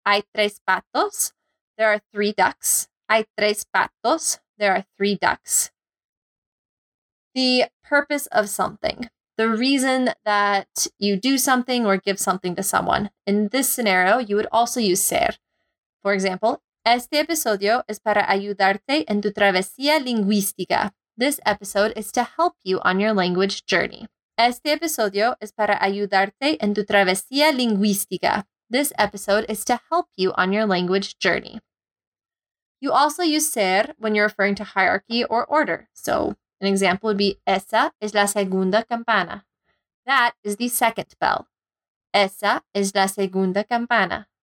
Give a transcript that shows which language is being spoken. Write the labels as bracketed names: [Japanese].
[Spanish] Hay tres patos. [English] There are 3 ducks. [Spanish] Hay tres patos. [English] There are 3 ducks. The purpose of something. The reason that you do something or give something to someone. In this scenario, you would also use ser. For example, [Spanish] este episodio es para ayudarte en tu travesía lingüística. [English] This episode is to help you on your language journey. [Spanish] Este episodio es para ayudarte en tu travesía lingüística. [English] This episode is to help you on your language journey. You also use ser when you're referring to hierarchy or order. So an example would be [Spanish] esa es la segunda campana. [English] That is the second bell. [Spanish] Esa es la segunda campana.